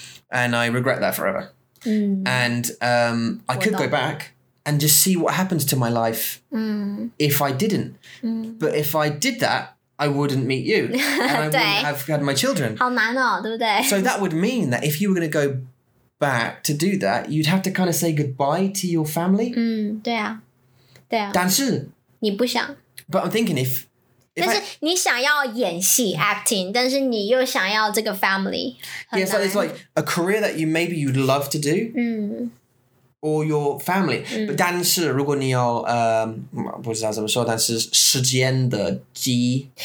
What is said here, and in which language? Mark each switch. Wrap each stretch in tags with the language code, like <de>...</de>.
<en>And I regret that forever. And I could go back and just see what happens to my life if I didn't. But if I did that, I wouldn't meet you, and I wouldn't have had my children.</en> <zh>好难哦，对不对？</zh> <en>So that would mean that if you were going to go back to do that, you'd have to kind of say goodbye to your family.</en> <zh>嗯，对啊，对啊。但是你不想。</zh> <en>But I'm thinking if.</en> <zh>但是你想要演戏 acting， 但是你又想要这个 family.</zh> <en>Yeah, so it's like a career that you maybe you'd love to do. Or your family. But</en> <zh>但是如果你有, 不知道怎么说,但是时间的机,</zh>